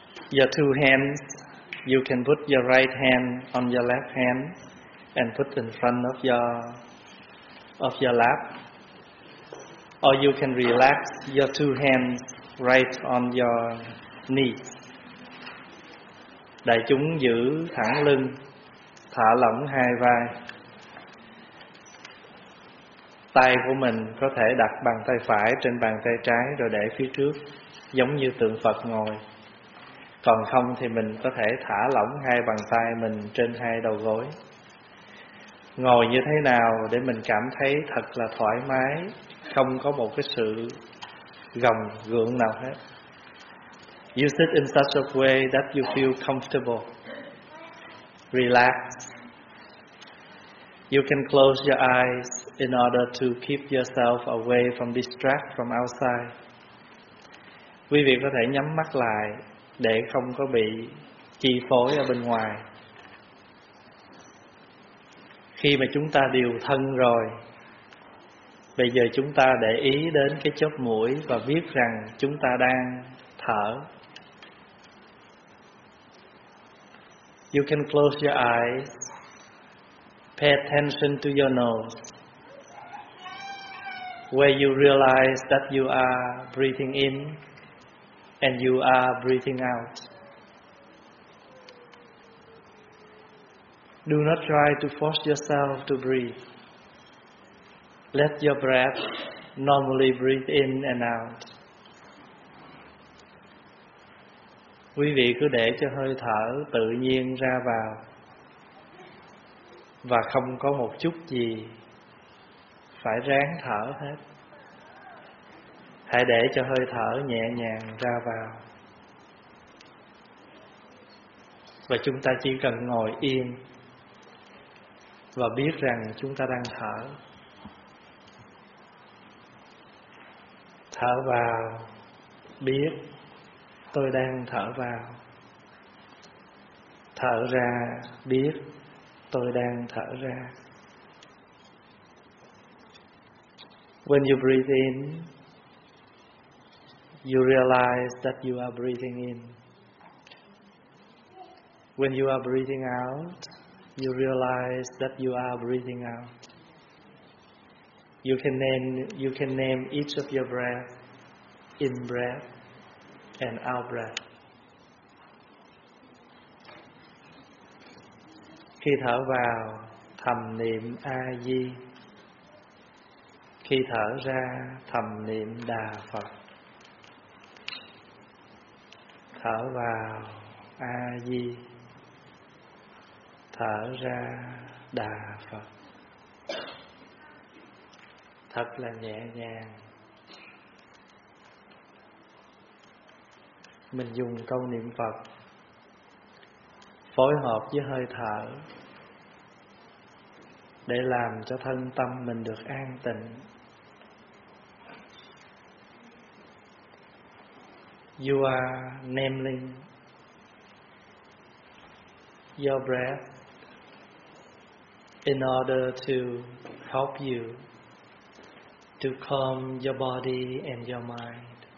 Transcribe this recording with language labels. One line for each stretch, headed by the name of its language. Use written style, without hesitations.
English: Your two hands, you can put your right hand on your left hand and put in front of your lap. Or you can relax your two hands right on your knees.
Vietnamese: Đại chúng giữ thẳng lưng, thả lỏng hai vai. Tay của mình có thể đặt bàn tay phải trên bàn tay trái rồi để phía trước, giống như tượng Phật ngồi. Còn không thì mình có thể thả lỏng hai bàn tay mình trên hai đầu gối. Ngồi như thế nào để mình cảm thấy thật là thoải mái, không có một cái sự gồng gượng nào hết.
English: You sit in such a way that you feel comfortable. Relax. You can close your eyes in order to keep yourself away from distract from outside.
Vietnamese: Quý vị có thể nhắm mắt lại để không có bị chi phối ở bên ngoài. Khi mà chúng ta điều thân rồi, bây giờ chúng ta để ý đến cái chóp mũi và biết rằng chúng ta đang thở.
English: You can close your eyes. Pay attention to your nose, where you realize that you are breathing in and you are breathing out. Do not try to force yourself to breathe. Let your breath normally breathe in and out.
Vietnamese: Quý vị cứ để cho hơi thở tự nhiên ra vào và không có một chút gì phải ráng thở hết. Hãy để cho hơi thở nhẹ nhàng ra vào. Và chúng ta chỉ cần ngồi yên và biết rằng chúng ta đang thở. Thở vào, biết tôi đang thở vào. Thở ra, biết tôi đang thở ra.
English: When you breathe in, you realize that you are breathing in. When you are breathing out, you realize that you are breathing out. You can name each of your breath, in breath and out breath.
Vietnamese: Khi thở vào, thầm niệm A Di. Khi thở ra, thầm niệm Đà Phật. Thở vào A Di. Thở ra Đà Phật. Thật là nhẹ nhàng. Mình dùng câu niệm Phật phối hợp với hơi thở để làm cho thân tâm mình được an tịnh.
English: You are naming your breath in order to help you to calm your body and your mind.